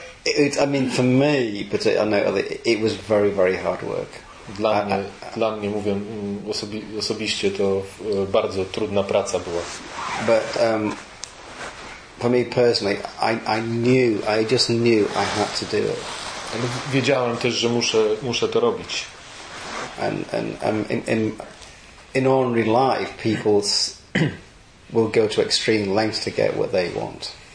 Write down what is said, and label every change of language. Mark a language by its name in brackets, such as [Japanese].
[English] It was very, very hard work. [Polish] Dla mnie mówię osobiście, to bardzo trudna praca była. [English] But for me personally, I just knew I had to do it. [Polish] Ale wiedziałem też, że muszę to robić. [English] And in ordinary life, people will go to extreme lengths to get what they want.